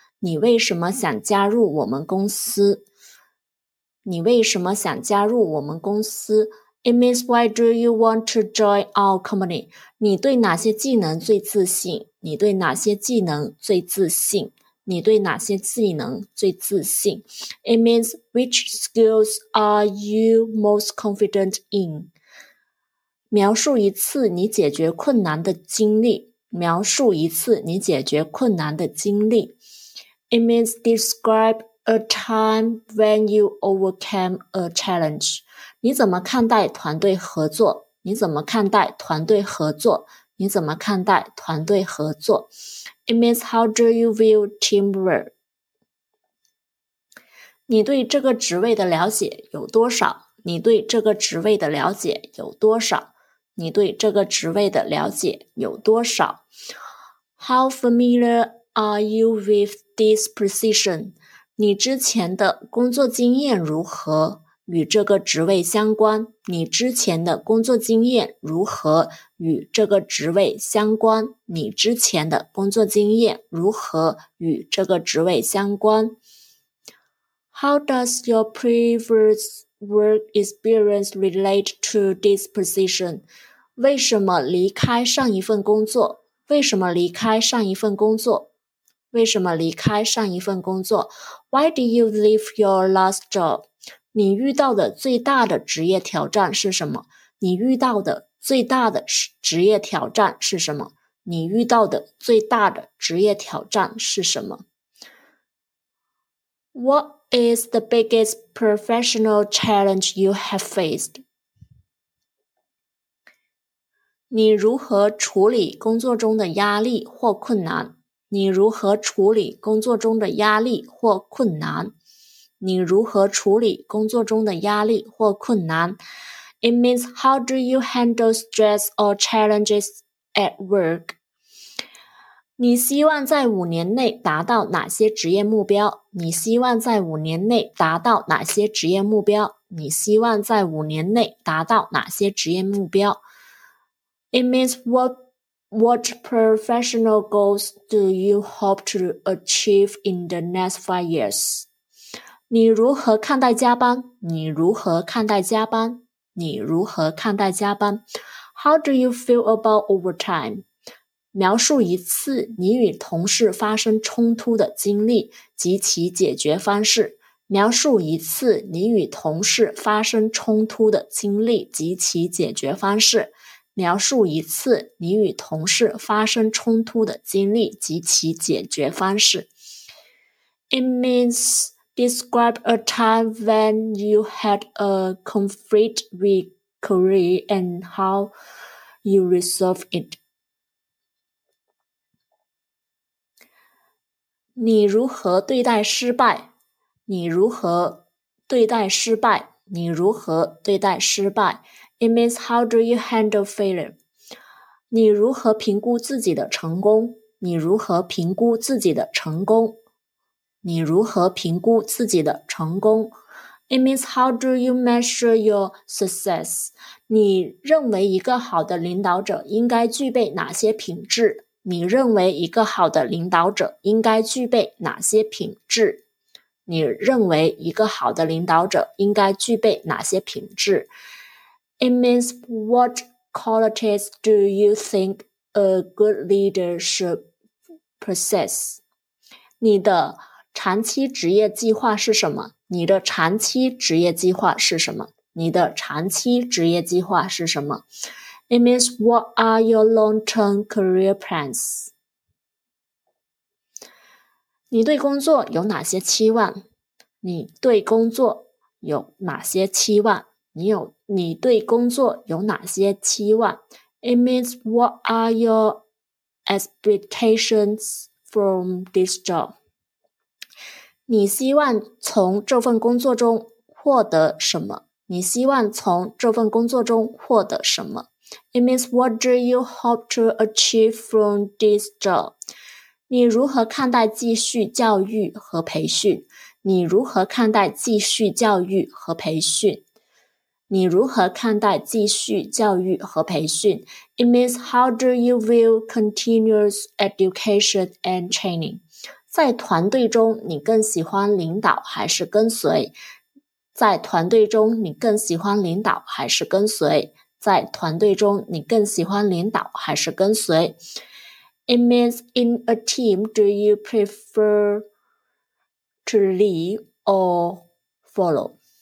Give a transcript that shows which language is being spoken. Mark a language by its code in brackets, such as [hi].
[zh] 你为什么想加入我们公司？你为什么想加入我们公司？ [en] It means why do you want to join our company? [zh] 你对哪些技能最自信？你对哪些技能最自信？你对哪些技能最自信？ [en] It means which skills are you most confident in? [zh] 描述一次你解决困难的经历。描述一次你解决困难的经历。 [en] It means describe a time when you overcame a challenge. [zh] 你怎么看待团队合作？你怎么看待团队合作？你怎么看待团队合作？ [en] It means how do you view teamwork? [zh] 你对这个职位的了解有多少？你对这个职位的了解有多少？你对这个职位的了解有多少？ [en] How familiar are you with this position? [zh] 你之前的工作经验如何与这个职位相关？你之前的工作经验如何与这个职位相关？你之前的工作经验如何与这个职位相关？ [en] How does your previous work experience relate to this position? [zh] 为什么离开上一份工作？为什么离开上一份工作？为什么离开上一份工作？ [en] Why did you leave your last job? [zh] 你遇到的最大的职业挑战是什么？你遇到的最大的职业挑战是什么？你遇到的最大的职业挑战是什么？ [en] What is the biggest professional challenge you have faced? [zh] 你如何处理工作中的压力或困难？你如何处理工作中的压力或困难？你如何处理工作中的压力或困难？ [en] It means how do you handle stress or challenges at work? [zh] 你希望在五年内达到哪些职业目标？你希望在五年内达到哪些职业目标？你希望在五年内达到哪些职业目标？ [en] It means What professional goals do you hope to achieve in the next 5 years? [zh] 你如何看待加班？ [en] 你如何看待加班？ [zh] 你如何看待加班？ [en] How do you feel about overtime? [zh] 描述一次你与同事发生冲突的经历及其解决方式。描述一次你与同事发生冲突的经历及其解决方式。描述一次你与同事发生冲突的经历及其解决方式。 [en] It means describe a time when you had a conflict with colleague and how you resolved it. [zh] 你如何对待失败？你如何对待失败？你如何对待失败？ [en] It means how do you handle failure? [zh] 你如何评估自己的成功？你如何评估自己的成功？你如何评估自己的成功？ [en] It means how do you measure your success? [zh] 你认为一个好的领导者应该具备哪些品质？你认为一个好的领导者应该具备哪些品质？你认为一个好的领导者应该具备哪些品质？ [en] It means what qualities do you think a good leader should possess? [zh] 你的长期职业计划是什么？你的长期职业计划是什么？你的长期职业计划是什么？ [en] It means what are your long-term career plans? [zh] 你对工作有哪些期望？你对工作有哪些期望？你对工作有哪些期望？ [en] It means what are your expectations from this job? [zh] 你希望从这份工作中获得什么？你希望从这份工作中获得什么 ？ [en] It means what do you hope to achieve from this job? [zh] 你如何看待继续教育和培训？你如何看待继续教育和培训？你如何看待继续教育和培训 ？ [en] It means how do you view continuous education and training? [zh] 在团队中你更喜欢领导还是跟随？在团队中你更喜欢领导还是跟随？在团队中你更喜欢领导还是跟随？ [en] It means in a team do you prefer to lead or follow?